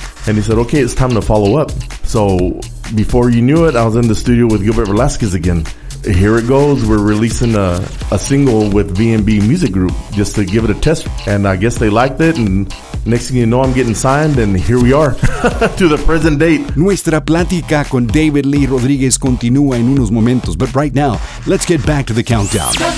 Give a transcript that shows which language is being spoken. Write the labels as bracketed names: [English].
[English] And he said, okay, it's time to follow up. So before you knew it, I was in the studio with Gilbert Velasquez again. Here it goes. We're releasing a single with VMB Music Group just to give it a test. And I guess they liked it. And next thing you know, I'm getting signed. And here we are to the present date. [Spanish] Nuestra plática con David Lee Rodriguez continúa en unos momentos. [English] But right now, let's get back to the countdown.